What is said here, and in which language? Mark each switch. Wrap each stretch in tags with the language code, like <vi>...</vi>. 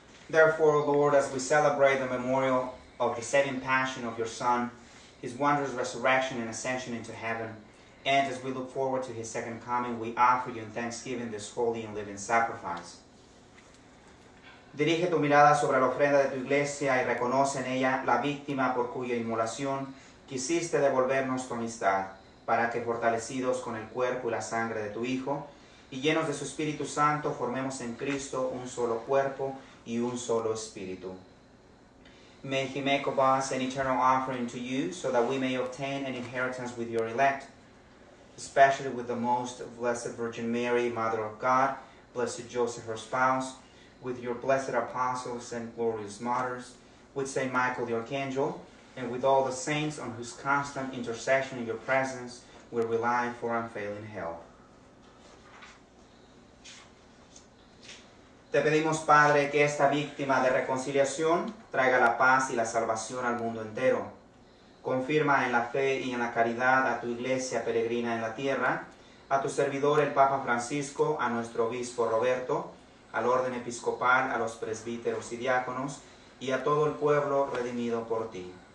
<en>Therefore, O Lord, as we celebrate the memorial of the saving passion of your Son, his wondrous resurrection and ascension into heaven, and as we look forward to his second coming, we offer you in thanksgiving this holy and living sacrifice.</en> <es>Dirige tu mirada sobre la ofrenda de tu iglesia y reconoce en ella la víctima por cuya inmolación quisiste devolvernos tu amistad, para que fortalecidos con el cuerpo y la sangre de tu Hijo, y llenos de su Espíritu Santo, formemos en Cristo un solo cuerpo y un solo espíritu.</es> <en>May he make of us an eternal offering to you, so that we may obtain an inheritance with your elect, especially with the most blessed Virgin Mary, Mother of God, blessed Joseph, her spouse, with your blessed apostles and glorious martyrs, with Saint Michael the Archangel, and with all the saints on whose constant intercession in your presence we rely for unfailing help.</en> <es>Te pedimos, Padre, que esta víctima de reconciliación traiga la paz y la salvación al mundo entero. Confirma en la fe y en la caridad a tu iglesia peregrina en la tierra, a tu servidor el Papa Francisco, a nuestro obispo Roberto, al orden episcopal, a los presbíteros y diáconos, y a todo el pueblo redimido por ti.</es>